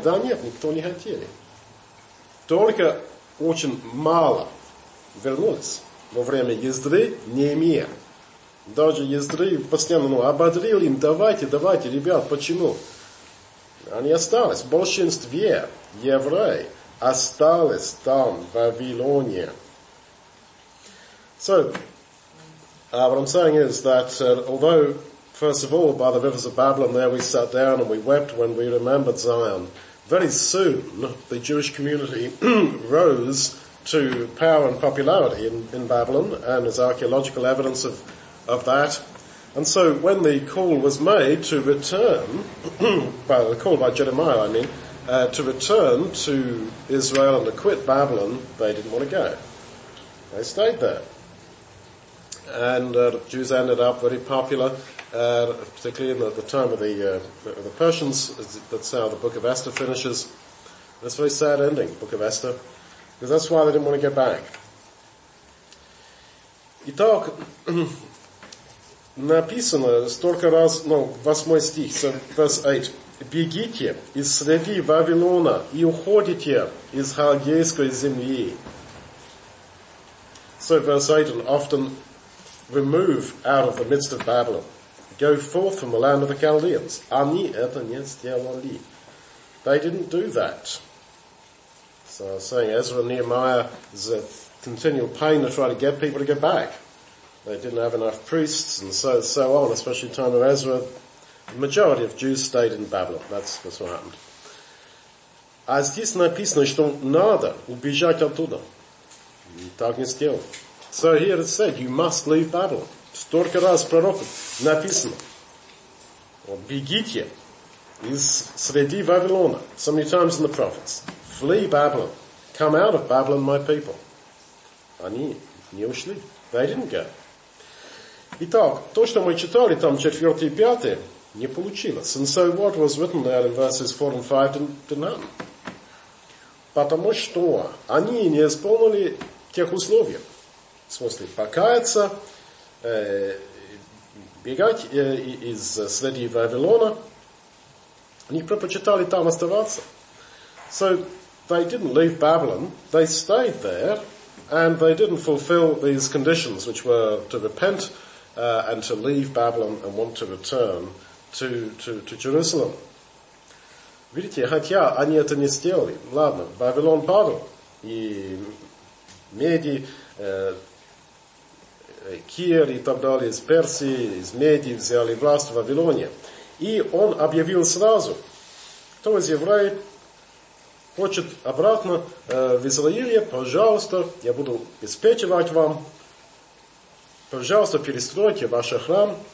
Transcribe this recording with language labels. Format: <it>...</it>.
<ru>Да нет, никто не хотели. Только очень мало вернулись во время езды Неемия. Даже езды постоянно ободрил им, давайте, ребят, почему? Они остались. В большинстве евреи остались там, в Вавилоне.</ru> <en>So, what I'm saying is that although first of all, by the rivers of Babylon, there we sat down and we wept when we remembered Zion. Very soon, the Jewish community rose to power and popularity in Babylon, and there's archaeological evidence of that. And so when the call was made to return, by the call by Jeremiah, to return to Israel and to quit Babylon, they didn't want to go. They stayed there. And Jews ended up very popular. Particularly in the time of the Persians, that's how the book of Esther finishes. That's a very sad ending, book of Esther, because that's why they didn't want to get back.</en> <ru>Итак, написано столько раз, восьмой стих,</ru> <en>so verse 8.</en> <ru>«Бегите из среды Вавилона и уходите из халдейской земли».</ru> <en>So verse 8, and often remove out of the midst of Babylon. Go forth from the land of the Chaldeans.</en> <ru>Они это не сделали.</ru> <en>They didn't do that. So I was saying, Ezra and Nehemiah is a continual pain to try to get people to go back. They didn't have enough priests and so on, especially in the time of Ezra. The majority of Jews stayed in Babylon. That's what happened.</en> <ru>А здесь написано, что надо убежать оттуда. Так не сделал.</ru> <en>So here it said, you must leave Babylon.</en> <ru>Столько раз пророку написано. Бегите из среди Вавилона.</ru> <en>So many times in the prophets. Flee Babylon. Come out of Babylon, my people.</en> <ru>Они не ушли.</ru> <en>They didn't go.</en> <ru>Итак, то, что мы читали там 4 и 5, не получилось.</ru> <en>And so what was written there in verses 4 and 5 didn't happen.</en> <ru>Потому что они не исполнили тех условий. В смысле, покаяться, бегать из среди Вавилона, они предпочитали там оставаться.</ru> <en>So, they didn't leave Babylon, they stayed there, and they didn't fulfill these conditions, which were to repent and to leave Babylon and want to return to Jerusalem.</en> <ru>Видите, хотя они это не сделали, ладно, Вавилон падал, и меди, Кир и так далее, из Персии, из меди взяли власть в Вавилоне. И он объявил сразу, кто из евреев хочет обратно в Израиле, пожалуйста, я буду обеспечивать вам, пожалуйста, перестройте ваш храм.</ru>